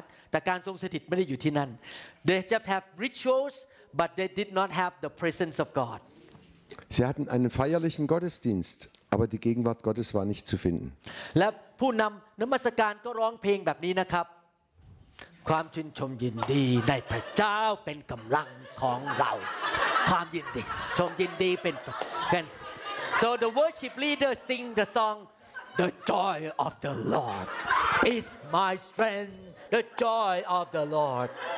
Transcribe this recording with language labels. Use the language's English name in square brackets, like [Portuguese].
[English] They just have rituals, but they did not have the presence of God. [German] Sie hatten einen feierlichen Gottesdienst, aber die Gegenwart Gottes war nicht zu finden. Und der Leiter des Gottesdienstes sang so ein Lied. [Thai] ความชื่นชมยินดีในพระเจ้าเป็นกำลังของเราความยินดีชมยินดีเป็น [English] so the worship leader sing the song the joy of the Lord is my strength the joy of the Lord